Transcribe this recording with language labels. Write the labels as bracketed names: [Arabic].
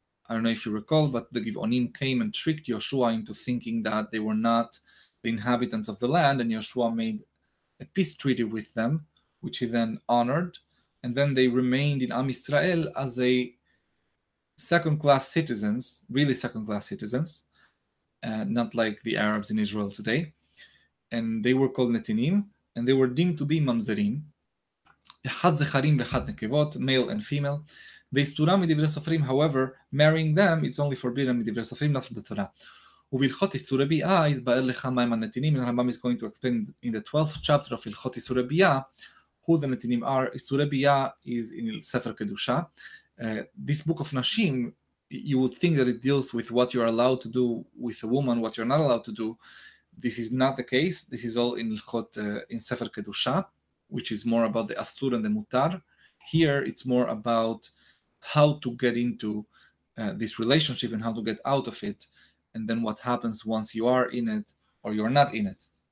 [English] I don't know if you recall, but the Givonim came and tricked Yoshua into thinking that they were not the inhabitants of the land, and Yoshua made a peace treaty with them, which he then honored, and then they remained in Am Israel as a second-class citizens, really second-class citizens, not like the Arabs in Israel today, and they were called Netinim, and they were deemed to be Mamzerim, [Hebrew] Echad Zecharim v'Echad Nekevot, [English] male and female. [Hebrew] V'isturam midivrei sofrim, [English] however, marrying them, it's only forbidden midivrei sofrim, not from the Torah. [Hebrew] ובלחות איסורי ביאה, יתבאר לך מהם הנתינים, [English] and Rambam is going to explain in the 12th chapter of הלחות איסורי ביאה, who the נתינים are. איסורי ביאה is in ספר קדושה. This book of Nashim, you would think that it deals with what you are allowed to do with a woman, what you're not allowed to do. This is not the case. This is all in הלחות, in ספר קדושה, which is more about the אסור and the מותר. Here, it's more about how to get into this relationship and how to get out of it, and then what happens once you are in it or you're not in it.